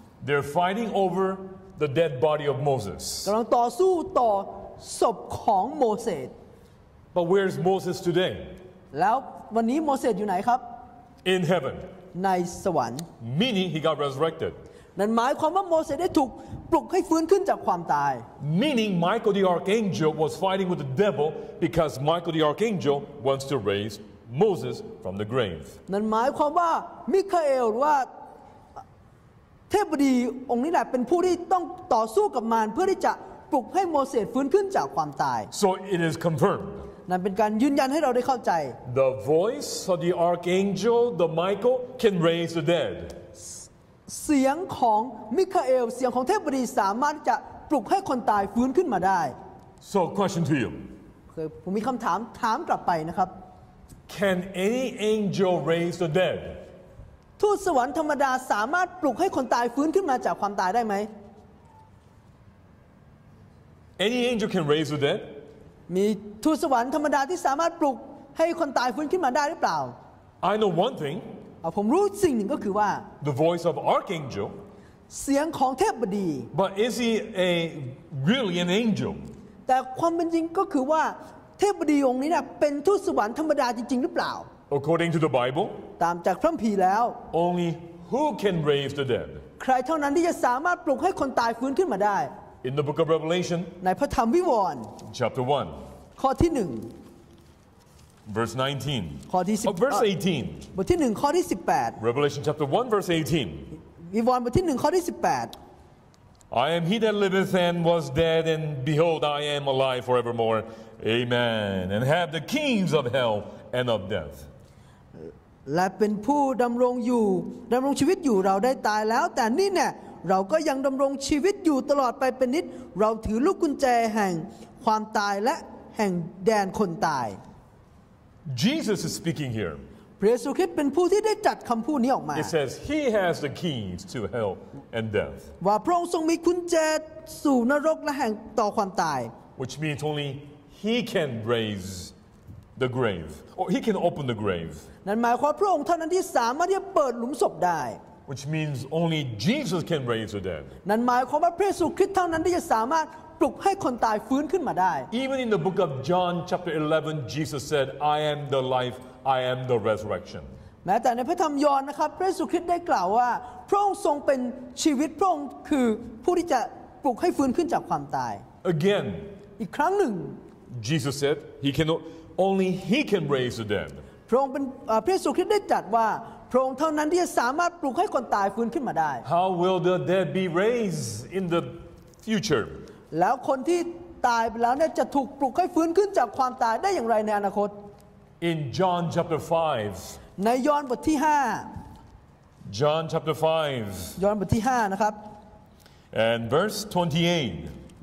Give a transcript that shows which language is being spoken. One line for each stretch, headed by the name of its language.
English: They're fighting overthe dead body of Moses
Thai: กําลังต่อสู้ต่อศพของโมเสส
English: But where is Moses today
Thai: แล้ววันนี้โมเสสอยู่ไหนครับ
English: In heaven
Thai: ในสวรรค์
English: Meaning he got resurrected
Thai: นั่นหมายความว่าโมเสสได้ถูกปลุกให้ฟื้นขึ้นจากความตาย
English: Meaning Michael the archangel was fighting with the devil because Michael the archangel wants to raise Moses from the grave
Thai: นั่นหมายความว่ามิคาเอลว่าเทพบดีองค์นี้แหละเป็นผู้ที่ต้องต่อสู้กับมารเพื่อที่จะปลุกให้โมเสสฟื้นขึ้นจากความตาย
English: So it is confirmed
Thai: นั่นเป็นการยืนยันให้เราได้เข้าใจ
English: The voice of the archangel the Michael can raise the dead
Thai: เสียงของมิคาเอลเสียงของเทพบดีสามารถจะปลุกให้คนตายฟื้นขึ้นมาได้
English: So question to you
Thai: ผมมีคำถามถามกลับไปนะครับ
English: Can any angel raise the dead
Thai: ทูตสวรรค์ธรรมดาสามารถปลุกให้คนตายฟื้นขึ้นมาจากความตายได้ไหม
English: Any angel can raise the dead
Thai: มีทูตสวรรค์ธรรมดาที่สามารถปลุกให้คนตายฟื้นขึ้นมาได้หรือเปล่า
English: I know one thing
Thai: ผมรู้สิ่งหนึ่งก็คือว่า
English: The voice of archangel
Thai: เสียงของเทพบดี
English: But is he a really an angel
Thai: แต่ความเป็นจริงก็คือว่าเทพบดีองค์นี้เป็นทูตสวรรค์ธรรมดาจริงๆหรือเปล่า
English: According to the Bible,
Thai: ตามจากพระคัมภีร์แล้ว
English: only who can raise the dead.
Thai: ใครเท่านั้นที่จะสามารถปลุกให้คนตายฟื้นขึ้นมาได้
English: In the book of Revelation,
Thai: ในพระธรรมวิวรณ์
English: chapter 1,
Thai: ข้อที่1
English: verse 19,
Thai: ข้อที่10
English: verse 18,
Thai: บทที่1ข้อที่18
English: Revelation chapter 1 verse 18,
Thai: วิวรณ์บทที่1ข้อที่18
English: I am he that liveth and was dead, and behold, I am alive forevermore. Amen. And have the kings of hell and of death.
Thai: และเป็นผู้ดำรงอยู่ดำรงชีวิตอยู่เราได้ตายแล้วแต่นี่เนี่ยเราก็ยังดำรงชีวิตอยู่ตลอดไปเป็นนิจเราถือลูกกุญแจแห่งความตายและแห่งแดนคนตาย
English: Jesus is speaking here
Thai: พระเยซูคริสต์เป็นผู้ที่ได้จัดคำพูดนี้ออกมา
English: It says he has the keys to hell and death
Thai: ว่าพระองค์ทรงมีกุญแจสู่นรกและแห่งต่อความตาย
English: Which means only he can raiseThe grave, or he can open the grave.
Thai: นั่นหมายความพระองค์เท่านั้นที่สามารถที่จะเปิดหลุมศพได้
English: Which means only Jesus can raise the dead.
Thai: นั่นหมายความว่าพระเยซูคริสต์เท่านั้นที่จะสามารถ ปลุกให้คนตายฟื้นขึ้นมาได้
English: Even in the book of John chapter 11 Jesus said I am the life I am the resurrection
Thai: แม้แต่ในพระธรรมยอห์นนะครับพระเยซูคริสต์ได้กล่าวว่าพระองค์ทรงเป็นชีวิตพระองค์คือผู้ที่จะปลุกให้ฟื้นขึ้นจากความตาย
English: Again
Thai: อีกครั้งหนึ่ง
English: Jesus said he can only he can raise the dead
Thai: พระองค์เป็นพระเยซูคริสต์ได้ตรัสว่าพระองค์เท่านั้นที่จะสามารถปลุกให้คนตายฟื้นขึ้นมาได้
English: How will the dead be raised in the future
Thai: แล้วคนที่ตายไปแล้วเนี่ยจะถูกปลุกให้ฟื้นขึ้นจากความตายได้อย่างไรในอนาคต
English: In John chapter 5
Thai: ในยอห์นบทที่5
English: John chapter 5
Thai: ยอห์นบทที่5นะครับ
English: and verse 28